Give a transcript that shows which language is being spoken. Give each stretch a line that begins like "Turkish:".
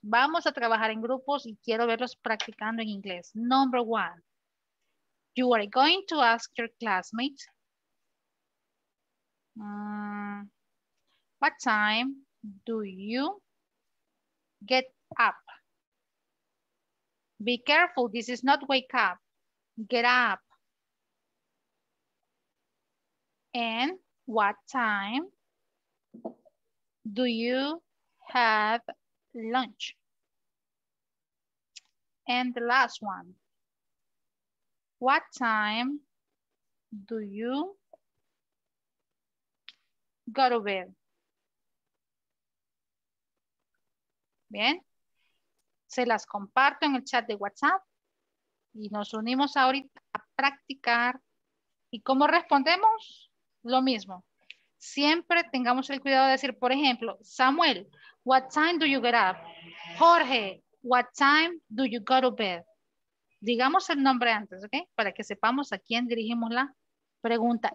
Spanish: Vamos a trabajar en grupos y quiero verlos practicando en inglés.
English: Number one. You are going to ask your classmates what time do you get up? Be careful, this is not wake up, get up. And what time do you have lunch? And the last one. What time do you go to bed?
Spanish: Bien. Se las comparto en el chat de WhatsApp y nos unimos ahorita a practicar. ¿Y cómo respondemos? Lo mismo. Siempre tengamos el cuidado de decir, por ejemplo, Samuel,
English: what time do you get up? Jorge, what time do you go to bed?
Spanish: Digamos el nombre antes, ¿ok? Para que sepamos a quién dirigimos la pregunta.